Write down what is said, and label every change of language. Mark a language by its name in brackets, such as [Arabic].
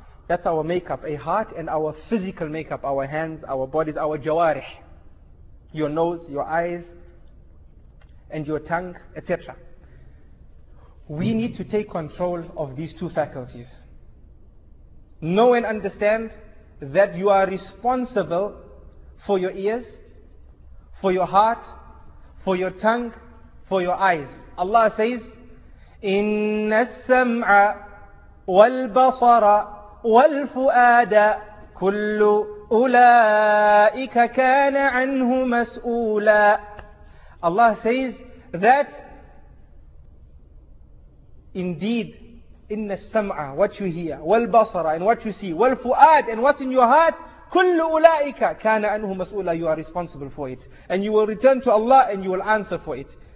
[English] That's our makeup, a heart and our physical makeup, our hands, our bodies, our jawarih, your nose, your eyes, and your tongue, etc. We need to take control of these two faculties. Know and understand that you are responsible for your ears, for your heart, for your tongue, for your eyes. Allah says, [Arabic] إِنَّ السَّمْعَ وَالْبَصَرَ وَالْفُؤَادَ كُلُّ أُولَٰئِكَ كَانَ عَنْهُ مَسْؤُولًا. [English] Allah says that indeed, [Arabic] إِنَّ السَّمْعَ, [English] what you hear, [Arabic] وَالْبَصَرَ, [English] and what you see, [Arabic] وَالْفُؤَادَ, [English] and what in your heart, [Arabic] كُلُّ أُولَٰئِكَ كَانَ عَنْهُ مَسْؤُولًا. [English] You are responsible for it. And you will return to Allah and you will answer for it.